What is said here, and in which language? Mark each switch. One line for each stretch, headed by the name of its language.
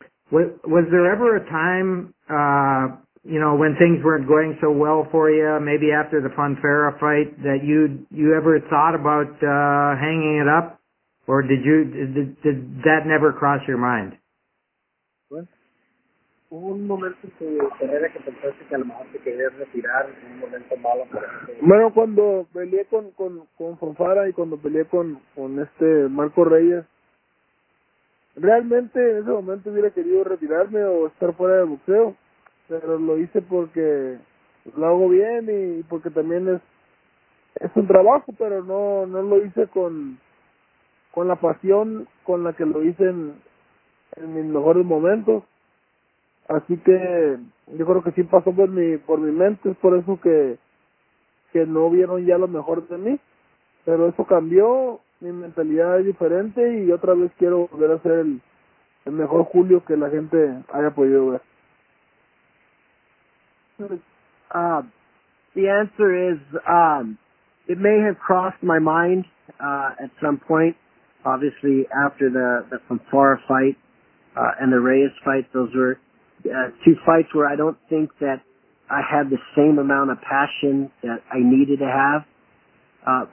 English: Was there ever a time, you know, when things weren't going so well for you, maybe after the Fonfara fight, that you ever thought about hanging it up, or did that never cross your mind?
Spanish: Hubo un momento en tu carrera que pensaste que a lo mejor te querías retirar en un momento malo. Bueno, cuando peleé con Fonfara y cuando peleé con este Marco Reyes, realmente en ese momento hubiera querido retirarme o estar fuera de boxeo. Pero lo hice porque lo hago bien y porque también es un trabajo, pero no lo hice con la pasión con la que lo hice en mis mejores momentos. Así que yo creo que sí pasó por mi mente, es por eso que no vieron ya lo mejor de mí. Pero eso cambió, mi mentalidad es diferente y otra vez quiero volver a ser el mejor Julio que la gente haya podido ver.
English: The answer is it may have crossed my mind at some point, obviously after the Fonfara fight and the Reyes fight. Those were two fights where I don't think that I had the same amount of passion that I needed to have.